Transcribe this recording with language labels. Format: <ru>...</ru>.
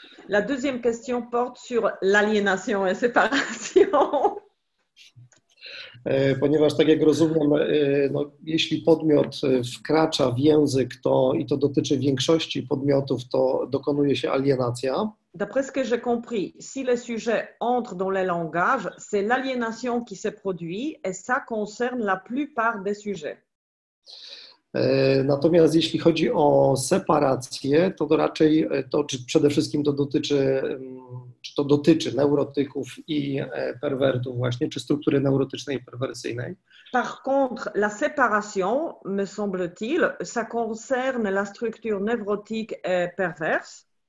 <fr>La deuxième question porte sur l'aliénation et séparation.</fr> <pl>Ponieważ tak jak rozumiem, no, jeśli podmiot wkracza w język, to i to dotyczy większości podmiotów, to dokonuje się alienacja.</pl> <fr>D'après ce que j'ai compris, si le sujet entre dans le langage, c'est l'aliénation qui se produit et ça concerne la plupart des sujets.</fr> <pl>Natomiast jeśli chodzi o separację, to raczej to, czy przede wszystkim to dotyczy, czy to dotyczy neurotyków i perwertów właśnie, czy struktury neurotycznej i perwersyjnej.</pl> <fr>Par contre, la séparation, me semble-t-il, ça concerne la structure neurotique et perverse.</fr>